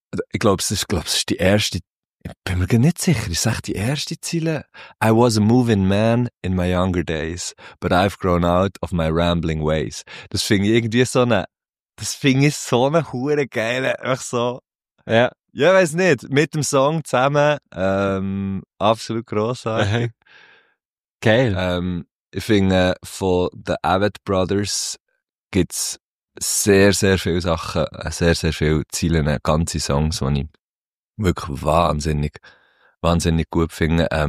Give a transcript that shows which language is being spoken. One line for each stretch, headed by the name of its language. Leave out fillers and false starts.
German: Ich glaube, es ist die erste, ich bin mir gar nicht sicher, ist es echt die erste Ziele?
English: I was a moving man in my younger days, but I've grown out of my rambling ways.
German: Das finde ich irgendwie so eine, das finde ich so eine hure geile, einfach so. Ja. Ja, ich weiss nicht. Mit dem Song zusammen, absolut grossartig. Geil. Ich finde, von The Avett Brothers gibt es sehr, sehr viele Sachen, sehr, sehr viele Ziele, ganze Songs, die ich wirklich wahnsinnig, wahnsinnig gut finde.